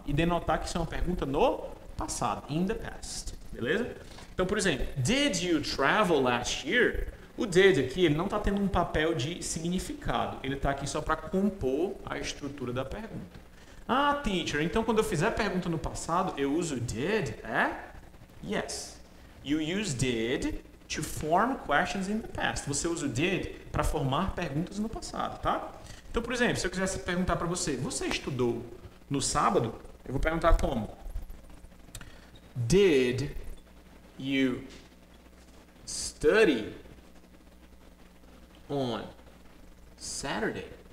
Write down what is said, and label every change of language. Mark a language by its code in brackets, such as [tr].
[pt] E denotar que isso é uma pergunta no passado, [en] in the past, [pt] beleza? Então, por exemplo, [en] did you travel last year? [pt] O did aqui, ele não está tendo um papel de significado. Ele está aqui só para compor a estrutura da pergunta. Ah, teacher, então quando eu fizer a pergunta no passado, eu uso did, é? [en] Yes. You use did to form questions in the past. [pt] Você usa o did para formar perguntas no passado, tá? Então, por exemplo, se eu quisesse perguntar para você, você estudou no sábado? Eu vou perguntar como? [en] Did you study on Saturday?